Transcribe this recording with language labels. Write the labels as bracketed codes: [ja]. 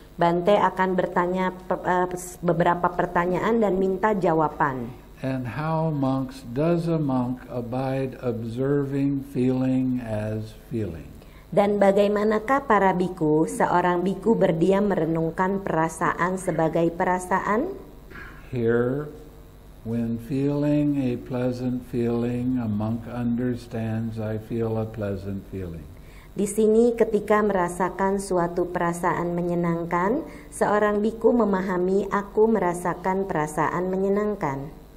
[id] Bante akan bertanya beberapa pertanyaan dan minta jawaban. [en] And how monks does a monk abide observing feeling as feeling? [id] Dan bagaimanakah para bhikkhu, seorang bhikkhu berdiam merenungkan perasaan sebagai perasaan? [en] Here, when feeling a pleasant feeling, a monk understands I feel a pleasant feeling. [id] Di sini ketika merasakan suatu perasaan menyenangkan, seorang bhikkhu memahami aku merasakan perasaan menyenangkan.